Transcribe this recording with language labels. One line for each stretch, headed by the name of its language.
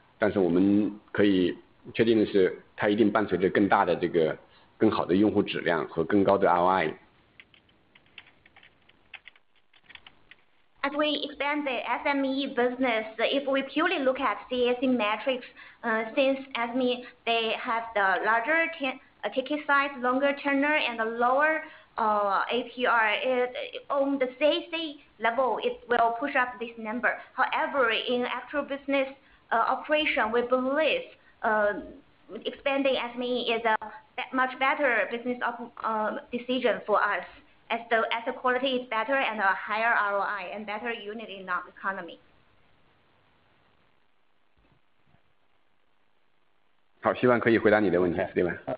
Chinese: 但是我们可以确定的是，它一定伴随着更大的这个更好的用户质量和更高的 ROI。
English: As we expand the SME business, if we purely look at CAC metrics, since SME they have the larger ticket size, longer tenure, and the lower APR, on the CAC level, it will push up this number. However, in actual business operation, we believe expanding SME is a much better business decision for us, as the quality is better and a higher ROI and better unit in the economy.
Chinese: 好，希望可以回答你的问题，对吧？